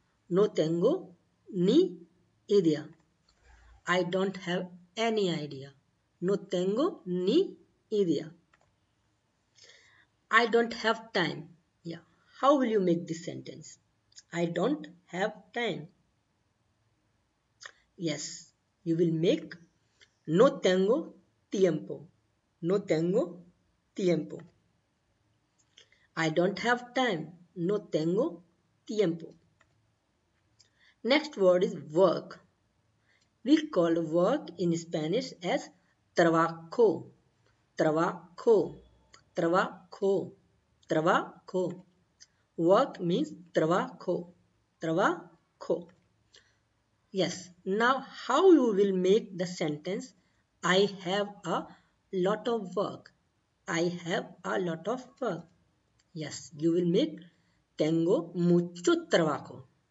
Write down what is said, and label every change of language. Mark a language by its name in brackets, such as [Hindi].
[Spanish] No tengo ni idea. [English] I don't have any idea. [Spanish] No tengo ni idea. [English] I don't have time. Yeah. How will you make this sentence? I don't have time. Yes. You will make, [Spanish] no tengo tiempo. No tengo tiempo. [English] I don't have time. [Spanish] No tengo tiempo. [English] Next word is work. We call work in Spanish as trabajo. [Spanish] Trabajo. Trabajo. Trabajo. [English] Work means trabajo. Trabajo. Yes. Now, how you will make the sentence, I have a lot of work. I have a lot of work. Yes, you will make [Spanish] tengo mucho trabajo.